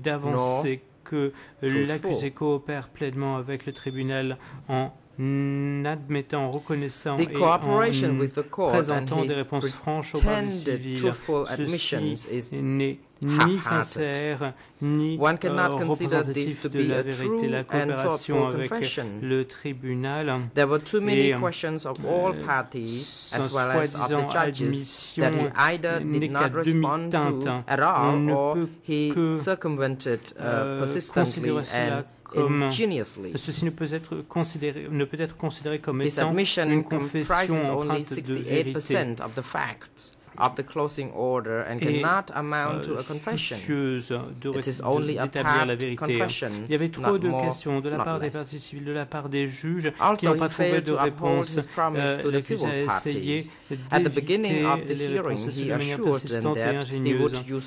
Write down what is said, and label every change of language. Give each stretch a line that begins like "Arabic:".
French: d'avancer que l'accusé coopère pleinement avec le tribunal en n'admettant, reconnaissant
English: the cooperation
French: et en
English: with the court
French: présentant
English: and
French: des réponses franches aux parties civiles, ceci n'est ni sincère, ni représentatif de la vérité. La coopération avec le tribunal
English: there were too many questions of all parties, as well as of the judges, that he either did not respond to at all, or he circumvented persistently and ingeniously.
French: Ceci ne peut être considéré comme étant une confession empreinte de vérité.
English: Of the closing order and cannot amount to a confession. It is only a part confession.
French: Il y avait trop de questions de la part des parties civiles, de la part des juges, qui n'ont pas trouvé de réponse. L'accusé a essayé d'éviter les réponses de manière persistante et ingénieuse.